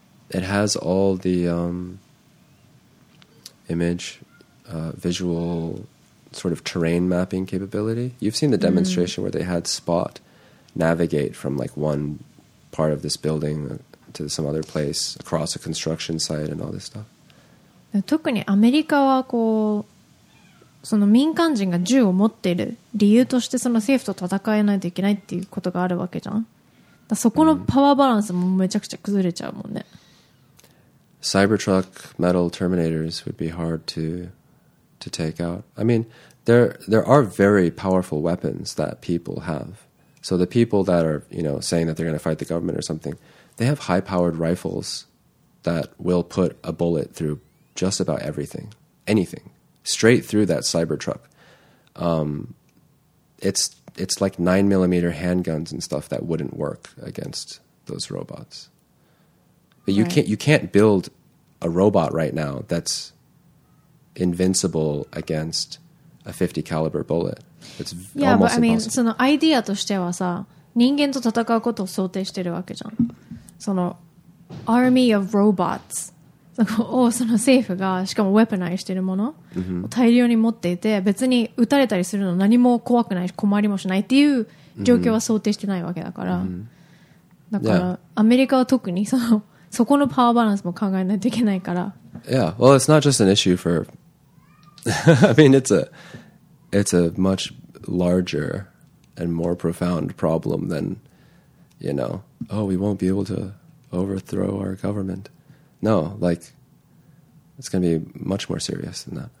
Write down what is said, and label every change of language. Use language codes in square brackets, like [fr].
[en] It has all the image, visual... sort of terrain mapping capability. You've seen the demonstration mm-hmm. where they had Spot navigate from like one part of this building to some other place across a construction site and all this stuff. [ja] 特にアメリカはこうその民間人が銃を持っている理由としてその政府と戦えないといけないっていうことがあるわけじゃん。だそこのパワーバランスもめちゃくちゃ崩れちゃうもんね。 [en] Cybertruck metal terminators would be hard to take out. I mean, there are very powerful weapons that people have. So the people that are, you know, saying that they're going to fight the government or something, they have high-powered rifles that will put a bullet through just about everything, anything, straight through that Cybertruck. It's like 9mm handguns and stuff that wouldn't work against those robots. But right. you can't build a robot right now that's invincible against a 50 caliber bullet. It's yeah, almost but I mean, impossible. [ja] そのアイディアとしてはさ、人間と戦うことを想定してるわけじゃん。その [en] army of robots [ja] をその政府がしかもウェポナイズしてるものを大量に持っていて、別に撃たれたりするの何も怖くないし困りもしないっていう状況は想定してないわけだから。 Mm-hmm. だから、yeah. アメリカは特にそこのパワーバランスも考えないといけないから。 [en] Yeah, well, it's not just an issue for... I mean, it's a much larger and more profound problem than, you know, oh, we won't be able to overthrow our government. No, like, it's going to be much more serious than that.